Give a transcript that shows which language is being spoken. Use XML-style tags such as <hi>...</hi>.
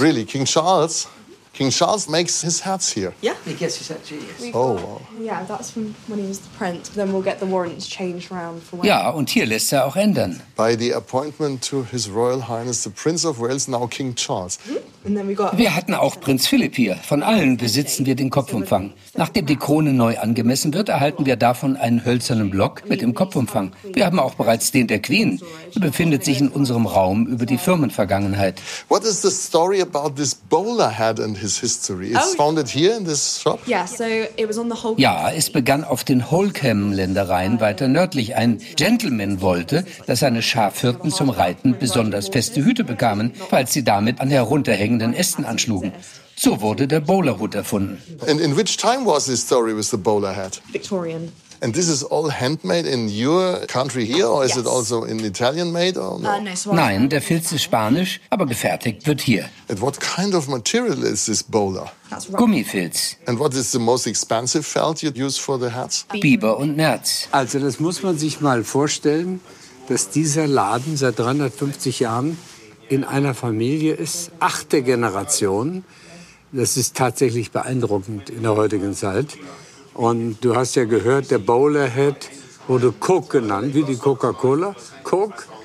<en>Really, King Charles? King Charles makes his hats here. Yeah, he gets his hats here. Oh, wow. Yeah, that's from when he was the prince. Then we'll get the warrants changed around for when.</en> <de>Ja, und hier lässt er auch ändern.</de> <en>By the appointment to His Royal Highness the Prince of Wales, now King Charles. And then we got.</en> <de>Wir hatten auch Prinz Philipp hier. Von allen besitzen wir den Kopfumfang. Nachdem die Krone neu angemessen wird, erhalten wir davon einen hölzernen Block mit dem Kopfumfang. Wir haben auch bereits den der Queen. Er befindet sich in unserem Raum über die Firmenvergangenheit.</de> <en>What is the story about this bowler hat and his history? It's founded here in this shop? Yeah, so it was on the Holkham.</en> <de>Ja, es begann auf den Holkham-Ländereien weiter nördlich. Ein Gentleman wollte, dass seine Schafhirten zum Reiten besonders feste Hüte bekamen, falls sie damit an herunterhängenden Ästen anschlugen. So wurde der Bowlerhut erfunden.</de> <en>And in which time was this story with the bowler hat? Victorian. And this is all handmade in your country here, or is it also in Italian made? Or no?</en> <de>Nein, der Filz ist spanisch, aber gefertigt wird hier.</de> <en>And what kind of material is this bowler?</en> <de>Gummifilz.</de> <en>And what is the most expensive felt you'd use for the hats?</en> <de>Biber und Nerz. Also das muss man sich mal vorstellen, dass dieser Laden seit 350 Jahren in einer Familie ist, achte Generation. Das ist tatsächlich beeindruckend in der heutigen Zeit. Und du hast ja gehört, der Bowler Hat wurde Coke genannt, wie die Coca-Cola. Coke.</de>